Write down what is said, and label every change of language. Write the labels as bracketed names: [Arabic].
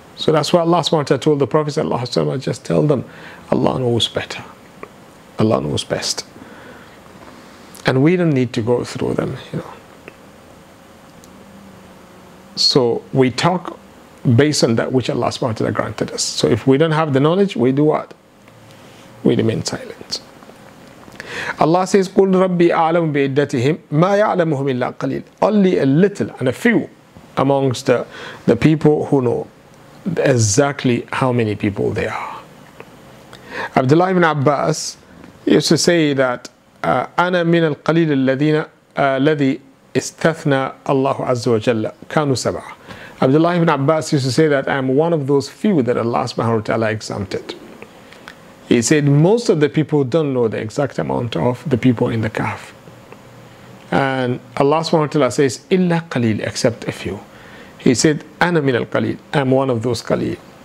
[English] So that's why Allah subhanahu wa ta'ala told the Prophet sallallahu alaihi wasallam, just tell them, Allah knows better. Allah knows best. And we don't need to go through them, you know. So we talk based on that which Allah subhanahu wa ta'ala granted us. So if we don't have the knowledge, we do what? We remain silent. Allah says, [Arabic] قُلْ رَبِّ أَعْلَمُ بِإِدَّتِهِمْ مَا يَعْلَمُهُمْ إِلَّا قَلِيلٌ. [English] Only a little and a few amongst the people who know exactly how many people they are. Abdullah ibn Abbas used to say that [Arabic] أَنَا مِنَ الْقَلِيلِ الَّذِينَ الَّذِي إِسْتَثْنَى اللَّهُ عَزَّ وَجَلَّ كَانُوا سَبْعَ. [English] Abdullah ibn Abbas used to say that I am one of those few that Allah subhanahu wa ta'ala exempted. He said most of the people don't know the exact amount of the people in the Kahf. And Allah subhanahu wa ta'ala says, [Arabic] إِلَّا قَلِيلِ, [English] except a few. He said, [Arabic] أَنَا مِنَ الْقَلِيلِ, [English] I am one of those qalil.